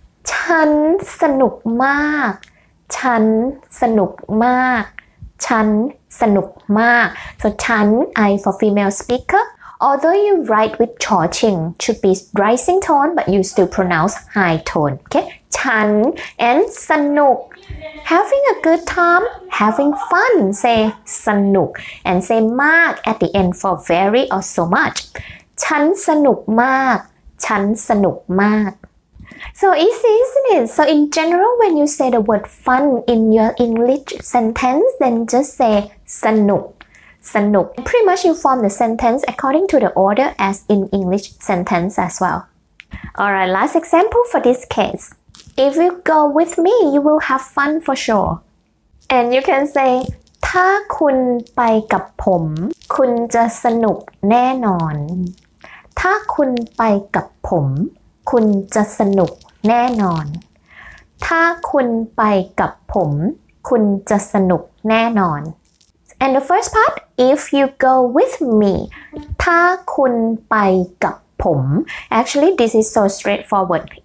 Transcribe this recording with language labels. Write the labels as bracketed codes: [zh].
[th] ฉันสนุกมากฉันสนุกมากฉันสนุกมาก [en] so ฉัน I for female speakerAlthough you write with ชอชิง should be rising tone but you still pronounce high tone okay ฉัน and สนุก having a good time having fun say สนุก and say มาก at the end for very or so much [th] ฉันสนุกมากฉันสนุกมาก [en] So easy, isn't it? So in general, when you say the word fun in your English sentence, then just say sanuk, sanuk. Pretty much you form the sentence according to the order as in English sentence as well. Alright, last example for this case. If you go with me, you will have fun for sure. And you can say, [th] ถ้าคุณไปกับผมคุณจะสนุกแน่นอนถ้าคุณไปกับผมคุณจะสนุกแน่นอนถ้าคุณไปกับผมคุณจะสนุกแน่นอน [en] And the first part, if you go with me, [th] ถ้าคุณไปกับผม [en] Actually, this is so straightforward.